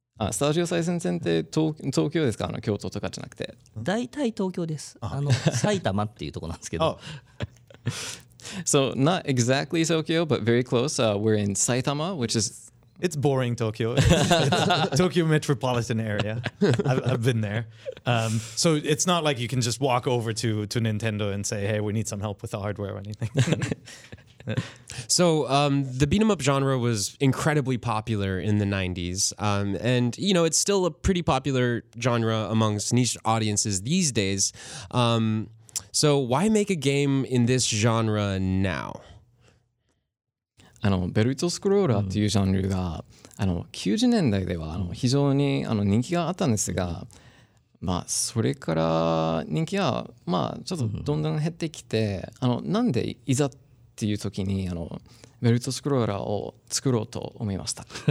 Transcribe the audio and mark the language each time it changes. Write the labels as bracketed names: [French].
[Japanese] スタジオ最前線って東京ですか？京都とかじゃなくて。大体東京です。埼玉っていうとこなんですけど。 [English] So, not exactly Tokyo, but very close. We're in Saitama, which is... It's boring Tokyo. Tokyo metropolitan area. I've been there. So it's not like you can just walk over to Nintendo and say, hey, we need some help with the hardware or anything. So the beat-em-up genre was incredibly popular in the 90s, and you know, it's still a pretty popular genre amongst niche audiences these days. So why make a game in this genre now? [Japanese] ベルトスクローラーというジャンルが90年代では非常に人気があったんですが、まあ、それから人気はまあちょっとどんどん減ってきて、なんでいざっていう時にあのベルトスクローラーを作ろうと思いました。